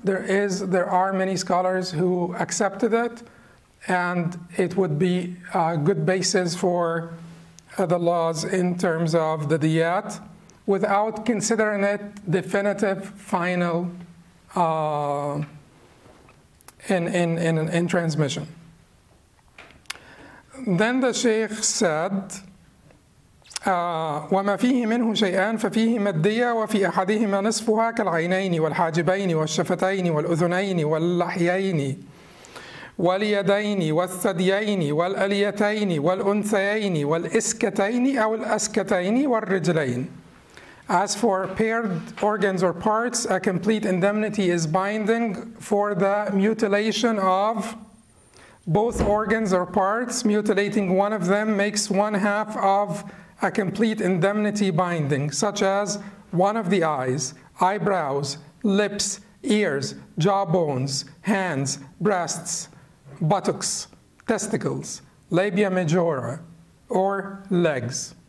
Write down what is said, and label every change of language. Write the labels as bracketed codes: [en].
[en] There are many scholars who accepted it, and it would be a good basis for the laws in terms of the diyat without considering it definitive, final in transmission. Then the Sheikh said, [ar] وَمَا فِيهِ مِنْهُ شَيْئًا فَفِيهِ مَدِّيَّةً وَفِي أَحَدِهِمَا نِصْفُهَا كَالْعَيْنَيْنِ وَالْحَاجِبَيْنِ وَالشَّفَتَيْنِ وَالْأُذُنَيْنِ وَاللَّحْيَيْنِ وَالْيَدَيْنِ وَالثَّدْيَيْنِ وَالْأَلْيَتَيْنِ وَالْأُنْثَيَيْنِ وَالْإِسْكَتَيْنِ أَوْ الْأَسْكَتَيْنِ وَالرِّجْلَيْنِ. [en] As for paired organs or parts, a complete indemnity is binding for the mutilation of both organs or parts. Mutilating one of them makes one half of a complete indemnity binding, such as one of the eyes, eyebrows, lips, ears, jawbones, hands, breasts, buttocks, testicles, labia majora, or legs.